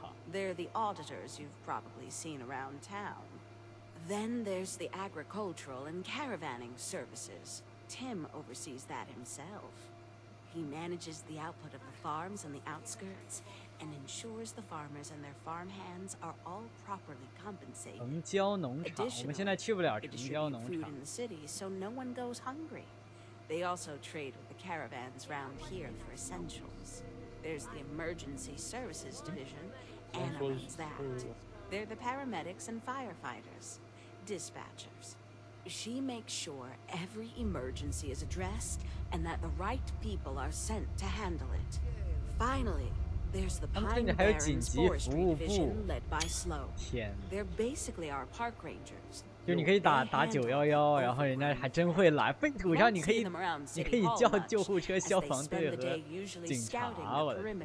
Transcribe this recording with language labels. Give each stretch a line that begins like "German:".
English: They're the auditors you've probably seen around town. Then there's the agricultural and caravanning services. Tim oversees that himself. He manages the output of the farms on the outskirts and ensures the farmers and their farmhands are all properly compensated.
Chinese: 农交农场，我们现在去不了城郊农场。
English: Food in the city, so no one goes hungry. They also trade with the caravans round here for essentials. There's the emergency services division, and runs that. They're the paramedics and firefighters, dispatchers. She makes sure every emergency is addressed and that the right people are sent to handle it. Finally, there's the Pine Barrens Forestry Division led by Sloan. They're basically our park rangers.
Chinese: 就你可以打打九幺幺，然后人家还真会来。废土上你可以叫救护车、消防队和警察。我的。